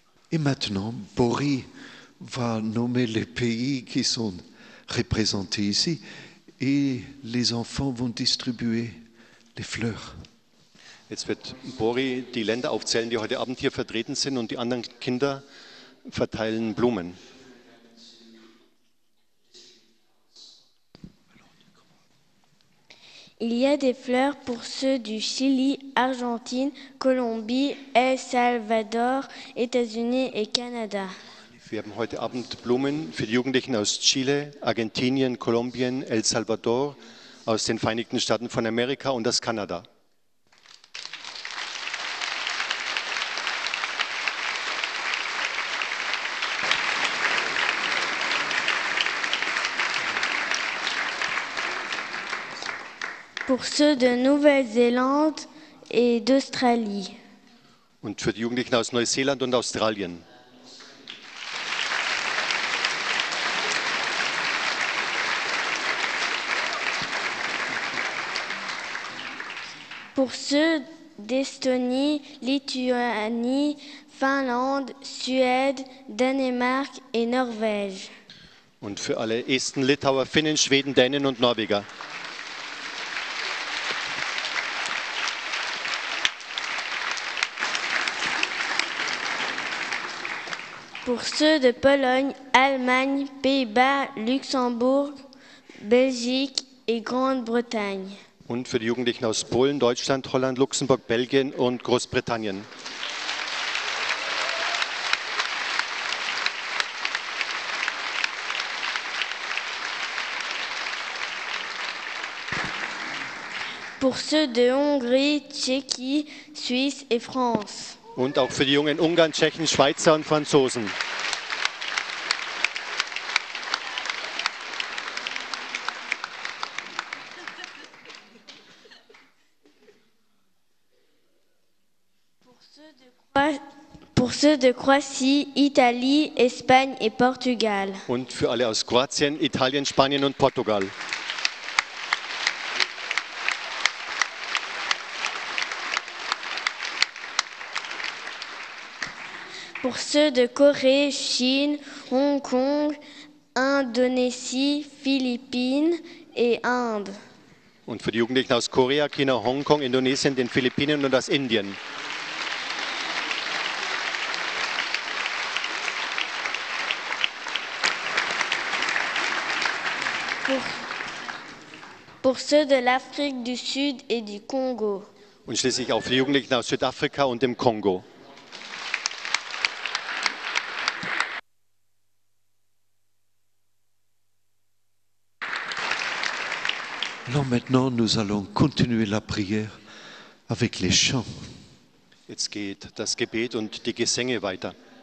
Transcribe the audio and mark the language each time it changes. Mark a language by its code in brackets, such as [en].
[fr] Et maintenant, Boris va nommer les pays qui sont représentés ici et les enfants vont distribuer les fleurs. [de] Jetzt wird Boris die Länder aufzählen, die heute Abend hier vertreten sind, und die anderen Kinder verteilen Blumen. [fr] Il y a des fleurs pour ceux du Chili, Argentine, Colombie, El Salvador, États-Unis et Canada. [de] Wir haben heute Abend Blumen für die Jugendlichen aus Chile, Argentinien, Kolumbien, El Salvador, aus den Vereinigten Staaten von Amerika und aus Kanada. [fr] Pour ceux de Nouvelle-Zélande et d'Australie. [de] Und für die Jugendlichen aus Neuseeland und Australien. [fr] Pour ceux d'Estonie, Lituanie, Finlande, Suède, Danemark et Norvège. [de] Und für alle Esten, Litauer, Finnen, Schweden, Dänen und Norweger. [fr] Pour ceux de Pologne, Allemagne, Pays-Bas, Luxembourg, Belgique et Grande-Bretagne. [de] Und für die Jugendlichen aus Polen, Deutschland, Holland, Luxemburg, Belgien und Großbritannien. [fr] Pour ceux de Hongrie, Tschechie, Suisse et France. [de] Und auch für die jungen Ungarn, Tschechen, Schweizer und Franzosen. [fr] Pour ceux de Croatie, Italie, Espagne et Portugal. [de] Und für alle aus Kroatien, Italien, Spanien und Portugal. [fr] Pour ceux de Corée, Chine, Hong Kong, Indonésie, Philippines et Inde. [de] Und für die Jugendlichen aus Korea, China, Hong Kong, Indonesien, den Philippinen und aus Indien. [fr] Pour ceux de l'Afrique du Sud et du Congo. [de] Und schließlich auch für die Jugendlichen aus Südafrika und dem Kongo. [fr] Alors maintenant, nous allons continuer la prière avec les chants. [de] Jetzt geht das Gebet und die Gesänge weiter.